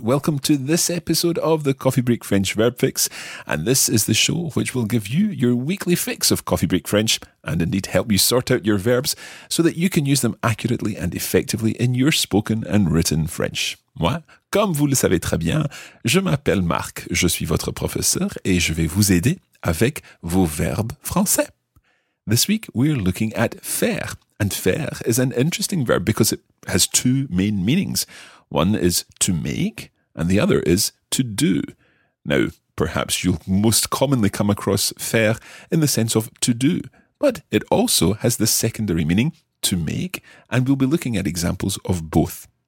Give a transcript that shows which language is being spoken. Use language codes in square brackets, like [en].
[en] Welcome to this episode of the Coffee Break French Verb Fix. And this is the show which will give you your weekly fix of Coffee Break French and indeed help you sort out your verbs so that you can use them accurately and effectively in your spoken and written French. [fr] Moi, comme vous le savez très bien, je m'appelle Marc. Je suis votre professeur et je vais vous aider avec vos verbes français. [en] This week, we're looking at faire. And faire is an interesting verb because it has two main meanings. One is to make, and the other is to do. Now, perhaps you'll most commonly come across faire in the sense of to do, but it also has the secondary meaning, to make, and we'll be looking at examples of both.